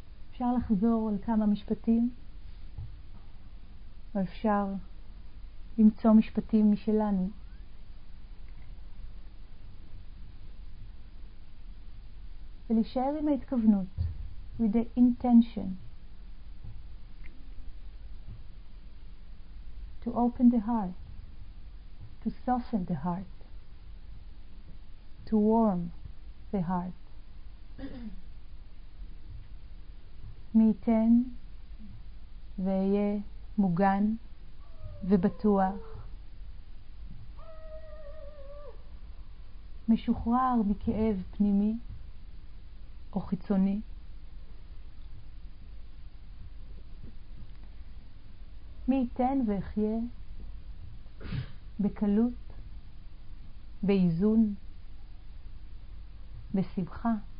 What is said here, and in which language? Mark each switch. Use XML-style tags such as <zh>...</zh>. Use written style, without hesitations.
<he>אפשר לחזור על כמה משפטים, או אפשר למצוא משפטים משלנו. ולהישאר עם ההתכוונות,</he> <en>with the intention to open the heart, to soften the heart, to warm the heart.</en> <he>מי ייתן ויהיה מוגן ובטוח, משוחרר מכאב פנימי או חיצוני, מי ייתן ויחיה בקלות, באיזון, בשמחה.</he>